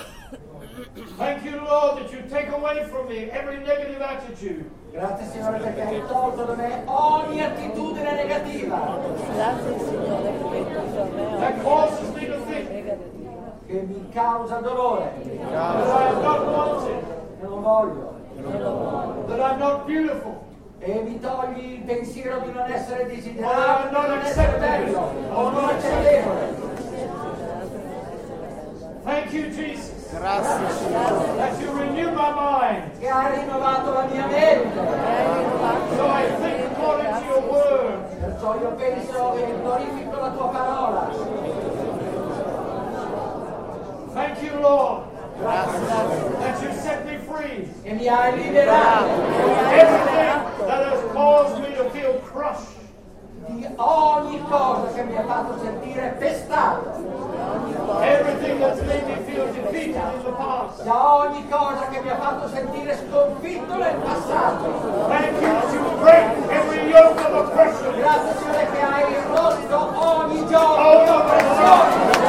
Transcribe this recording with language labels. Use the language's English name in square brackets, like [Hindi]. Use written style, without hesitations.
[English] Thank you, Lord, that you take away from me every negative attitude. [Italian] Grazie Signore perché hai tolto da me ogni attitudine negativa. Grazie Signore perché hai tolto da me. [English] That causes me to think. [Italian] Che mi causa dolore. [English] That I have not wanted. [Italian] Che lo voglio. [English] That I'm not beautiful. [Italian] E mi togli il pensiero di non essere desiderato. Di non essere bello. O non accettevole. [English] Thank you, Jesus. [Italian] Grazie Signore. [English] That you renew my mind. [Italian] Che ha rinnovato la mia mente. [English] So I think according to your word. [Italian] Perciò io penso e glorifico la tua parola. [English] Thank you, Lord. [Italian] Grazie. [English] That you set me free. [Italian] E mi hai liberato. [English] Everything that has caused me to feel crushed. [Italian] Di ogni cosa che mi ha fatto sentire pestato. [English] Everything that's made me feel defeated in the past. [Italian] Da ogni cosa che mi ha fatto sentire sconfitto nel passato. [English] Thank you that you break every yoke of oppression. [Italian] Grazie Signore che hai rotto ogni gioco di oppressione.